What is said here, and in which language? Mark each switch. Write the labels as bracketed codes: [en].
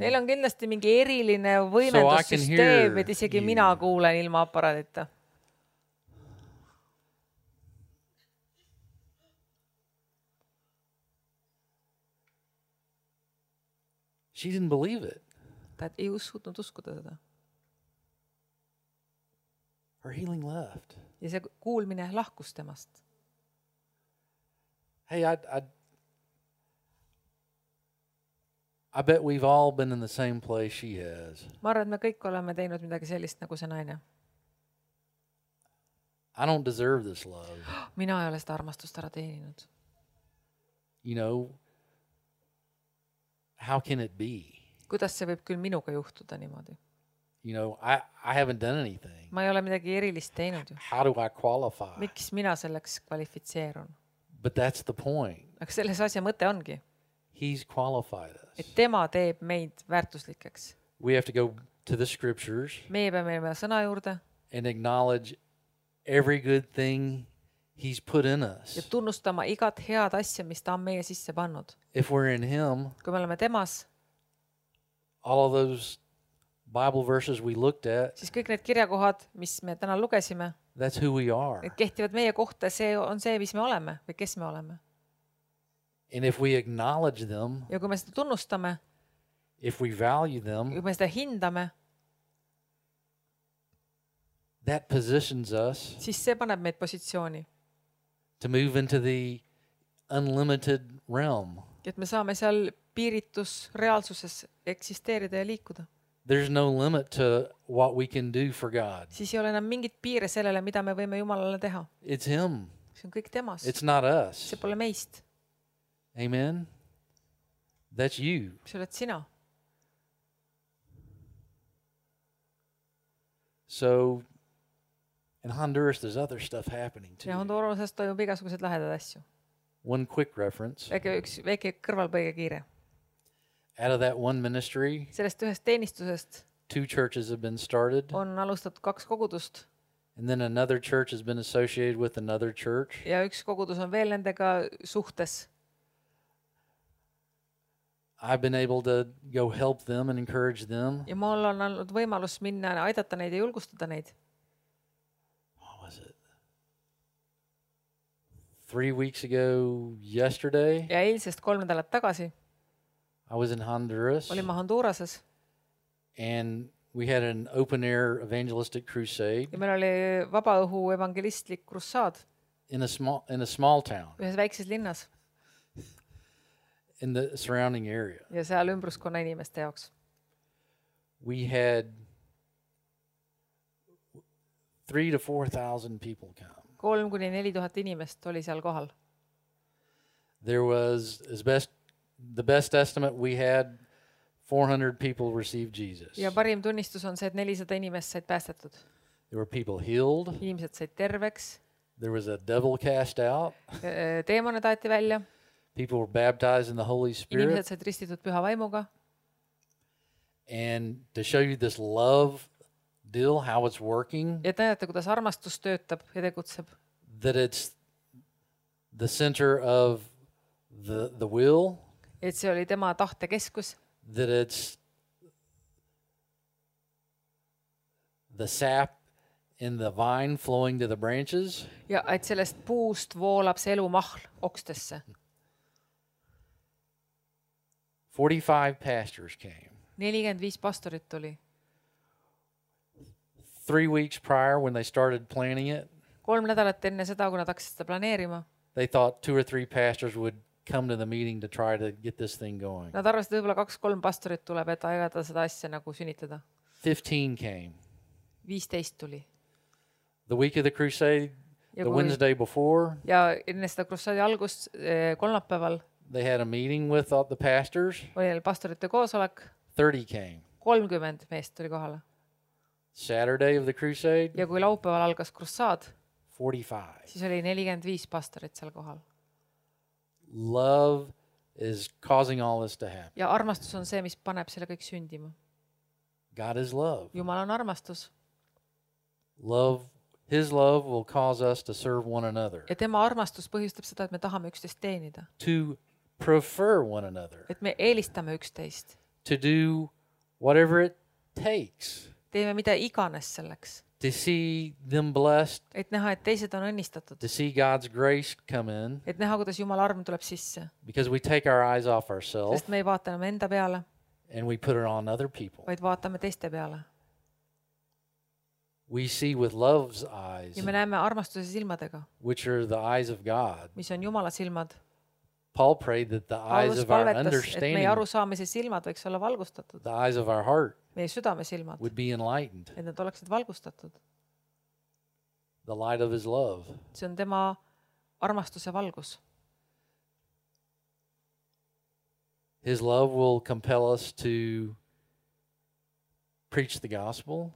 [et] Neil on kindlasti mingi eriline võimendussüsteem, et isegi mina kuulen ilma aparaadita. [en] She didn't believe it. [et] Ta ei usutnud uskuda seda. [en] Her healing left. [et] Ja see kuulmine lahkus temast. [en] Hey, I bet we've all been in the same place she has. [et] Ma arvan, et me kõik oleme teinud midagi sellist nagu see naine. [en] I don't deserve this love. [et] Mina ei ole seda armastust ära teeninud. [en] You know, how can it be? [et] Kuidas see võib küll minuga juhtuda niimoodi? [en] You know, I haven't done anything. [et] Ma ei ole midagi erilist teinud ju. [en] How do I qualify? [et] Miks mina selleks kvalifitseerun? [en] But that's the point. [et] Aga selles asja mõte ongi. [en] He's qualified us. [et] Et tema teeb meid väärtuslikeks. [en] We have to go to the scriptures. [et] Me peame minema sõna juurde. [en] And acknowledge every good thing he's put in us. [et] Ja tunnustama igat head asja, mis ta on meie sisse pannud. [en] If we're in him. [et] Kui me oleme temas. [en] All of those Bible verses we looked at. [et] Siis kõik need kirjakohad, mis me täna lugesime. [en] That's who we are. [et] Et kehtivad meie kohta, see on see, mis me oleme või kes me oleme. [en] And if we acknowledge them. [et] Ja kui me seda tunnustame. [en] If we value them. [et] Kui me seda hindame. [en] That positions us. [et] Siis see paneb meid positsiooni. [en] To move into the unlimited realm. [et] Et me saame seal piiritus reaalsuses eksisteerida ja liikuda. [en] There's no limit to what we can do for God. [et] Siis ei ole enam mingit piire sellele, mida me võime Jumalale teha. [en] It's him. [et] See on kõik temas. [en] It's not us. [et] See pole meist. [en] Amen. That's you. [et] See oled sina. [en] So in Honduras there's other stuff happening too. [et] Ja Hondurasest toimub igasugused lahedad asju. [en] One quick reference. [et] Väike kõrvalpõige kiire. [en] Out of that one ministry. [et] Sellest ühest teenistusest. [en] Two churches have been started. [et] On alustatud kaks kogudust. [en] And then another church has been associated with another church. [et] Ja üks kogudus on veel nendega suhtes. [en] I've been able to go help them and encourage them. [et] Ja ma olen olnud võimalus minna aidata neid ja julgustada neid. [en] What was it? 3 weeks ago yesterday. [et] Ja eilsest kolm nädalat tagasi. [en] I was in Honduras. [et] Olin ma Honduras. [en] And we had an open air evangelistic crusade. [et] Ja meil oli vabaõhu evangelistlik krusaad. [en] In a small town. [et] Ühes väikses linnas. [en] In the surrounding area. [et] Ja seal ümbruskonna inimeste jaoks. [en] We had 3,000 to 4,000 people come. [et] 3,000 to 4,000 inimest oli seal kohal. [en] There was the best estimate we had 400 people received Jesus. [et] Ja parim tunnistus on see, et 400 inimest said päästetud. [en] There were people healed. [et] Inimesed said terveks. [en] There was a devil cast out. [et] Teemoned aeti välja. [en] People were baptized in the Holy Spirit. [et] Inimesed said ristitud püha vaimuga. [en] And to show you this love deal, how it's working. [et] Ja näete, kuidas armastus töötab ja tegutseb. [en] That it's the center of the will. [et] Et see oli tema tahte keskus. [en] That it's the sap in the vine flowing to the branches. [et] Ja et sellest puust voolab see elumahl okstesse. [en] 45 pastors came. [et] 45 pastorit tuli. [en] 3 weeks prior when they started planning it. [et] Kolm nädalat enne seda, kui nad hakkasid seda planeerima. [en] They thought 2 or 3 pastors would come to the meeting to try to get this thing going. [et] Nad arvasid, et võib-olla 2-3 pastorit tuleb, et aidata seda asja nagu sünnitada. [en] 15 came. [et] 15 tuli. [en] The week of the crusade, the Wednesday before. [et] Ja enne seda krusaadi algust kolmapäeval. [en] They had a meeting with the pastors. [et] Oli pastorite koosolek. [en] 30 came. [et] 30 meest tuli kohale. [en] Saturday of the crusade. [et] Ja kui laupäeval algas krusaad. [en] 45. [et] Siis oli 45 pastorit seal kohal. [en] Love is causing all this to happen. [et] Ja armastus on see, mis paneb selle kõik sündima. [en] God is love. [et] Jumal on armastus. [en] Love, his love will cause us to serve one another. [et] Ja tema armastus põhjustab seda, et me tahame üksteist teenida. [en] To prefer one another. [et] Et me eelistame üksteist. [en] To do whatever it takes. [et] Teeme mida iganes selleks. [en] To see them blessed. [et] Et näha, et teised on õnnistatud. [en] To see God's grace come in. [et] Et näha, kuidas Jumala arm tuleb sisse. [en] Because we take our eyes off ourselves. [et] Sest me ei vaata enam enda peale. [en] And we put it on other people. [et] Vaid vaatame teiste peale. [en] We see with love's eyes. [et] Ja me näeme armastuse silmadega. [en] Which are the eyes of God. [et] Mis on Jumala silmad. [en] Paul prayed that the eyes of our understanding. [et] Et meie arusaamise silmad võiks olla valgustatud. [en] The eyes of our heart. [et] Meie südame silmad. [en] Would be enlightened. [et] Et nad oleksid valgustatud. [en] The light of his love. [et] See on tema armastuse valgus. [en] His love will compel us to preach the gospel.